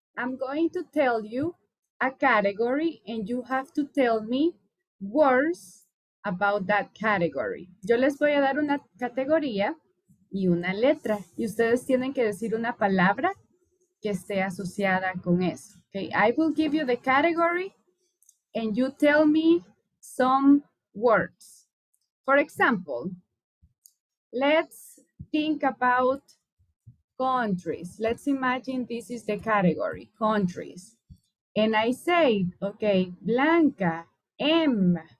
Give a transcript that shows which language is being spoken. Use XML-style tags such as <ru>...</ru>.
<en>I'm going to tell you a category, and you have to tell me words about that category.</en> <es>Yo les voy a dar una categoría y una letra. Y ustedes tienen que decir una palabra que esté asociada con eso.</es> <en>Okay, I will give you the category and you tell me some words. For example, let's think about countries. Let's imagine this is the category, countries. And I say, okay, Blanca, M.</en>